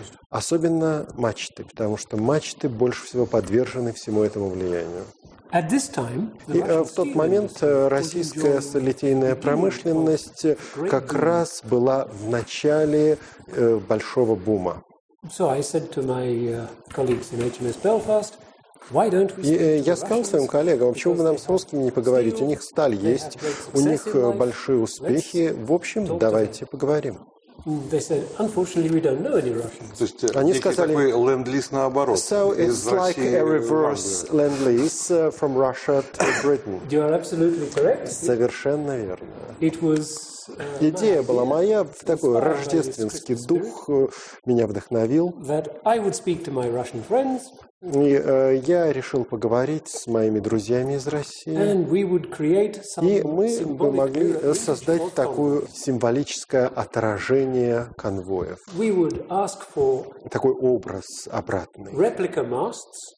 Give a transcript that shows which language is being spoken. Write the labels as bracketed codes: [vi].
[ru] Особенно мачты, потому что мачты больше всего подвержены всему этому влиянию. [en] At this time, [ru] и в тот момент российская литейная промышленность как раз была в начале большого бума. [en] So I said to my colleagues in HMS Belfast, why don't we speak to the Russians? [ru] Я сказал своим коллегам, почему бы нам с русскими не поговорить? У них сталь есть, у них большие успехи. В общем, давайте поговорим. [en] They said, unfortunately, we don't know any Russians. [ru] То есть, они сказали, такой ленд-лиз наоборот, [en] so it's like a reverse ленд-лиз from Russia to Britain. You are absolutely correct. [ru] Совершенно верно. [en] It was, [ru] идея была моя, в такой рождественский дух меня вдохновил. [en] That I would speak to my Russian friends. [ru] И я решил поговорить с моими друзьями из России. [en] And we would create some [ru] и мы бы могли создать такое символическое отражение конвоев. [en] We would ask for [ru] такой образ обратный. [en] Replica masts